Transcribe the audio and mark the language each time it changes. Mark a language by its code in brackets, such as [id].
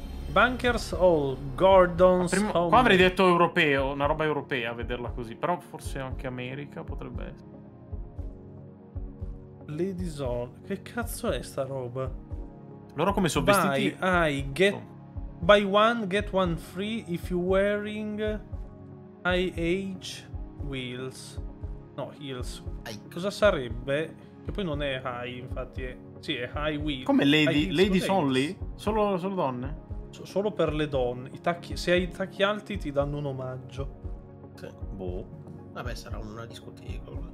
[en] Bunkers Hall, Gordon's Home. [it] Qua avrei detto europeo, una roba europea a vederla così, però forse anche America potrebbe essere. Ladies Hall, che cazzo è sta roba? Loro come sono vestiti? [en] Buy one, get one free if you wearing IH wheels. [it] No, heels. Cosa sarebbe? Che poi non è high, infatti è... Sì, è high wheel. [en] Come lady? Ladies only? [it] Solo donne? Solo per le donne. Se hai i tacchi alti ti danno un omaggio. Sì. Boh. Vabbè, sarà una discoteca.